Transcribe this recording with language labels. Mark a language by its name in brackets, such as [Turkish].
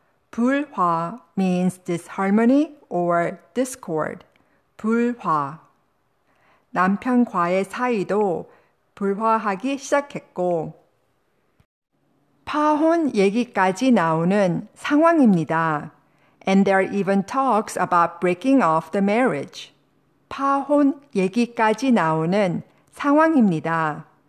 [English] 불화 means disharmony or discord. 불화. [Korean] 남편과의 사이도 불화하기 시작했고, 파혼 얘기까지 나오는 상황입니다. [English] And there are even talks about breaking off the marriage. [Korean] 파혼 얘기까지 나오는 상황입니다.